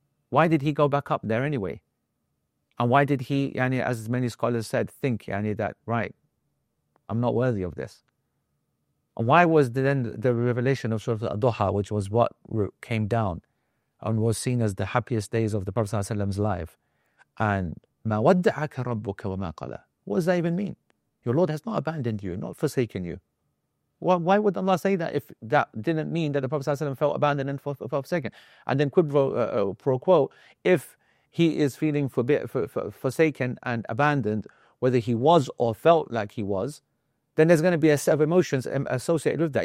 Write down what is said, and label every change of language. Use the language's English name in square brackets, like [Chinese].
[English] Why did he go back up there anyway? And why did he, yani, as many scholars said, think, yani, that, right, I'm not worthy of this? And why was then the revelation of Surah Al-Duha, which was what came down and was seen as the happiest days of the Prophet's life? [Arabic] And مَا وَدَّعَكَ رَبُّكَ وَمَا قَلَى. [English] What does that even mean? Your Lord has not abandoned you, not forsaken you. Why would Allah say that if that didn't mean that the Prophet felt abandoned and forsaken? And then quid pro quo, if he is feeling forsaken and abandoned, whether he was or felt like he was, then there's going to be a set of emotions associated with that.